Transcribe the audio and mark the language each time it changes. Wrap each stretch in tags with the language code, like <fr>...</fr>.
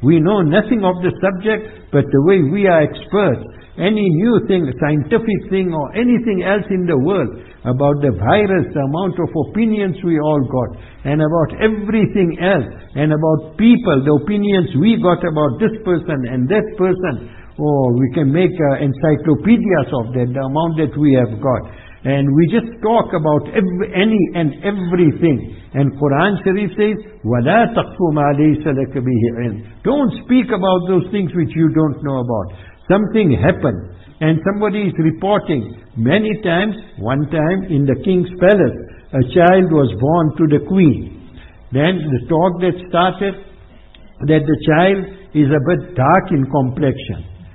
<en>We know nothing of the subject, but the way we are experts, any new thing, scientific thing or anything else in the world, about the virus, the amount of opinions we all got, and about everything else, and about people, the opinions we got about this person and that person, we can make encyclopedias of that, the amount that we have got. And we just talk about any and everything. And Quran Sharif says,</en> <ar>وَلَا تَقْفُ مَا لَيْسَ لَكَ بِهِ عِلْمٍ.</ar> <en>Don't speak about those things which you don't know about. Something happened, and somebody is reporting. Many times, one time in the king's palace, a child was born to the queen. Then the talk that started, that the child is a bit dark in complexion.</en>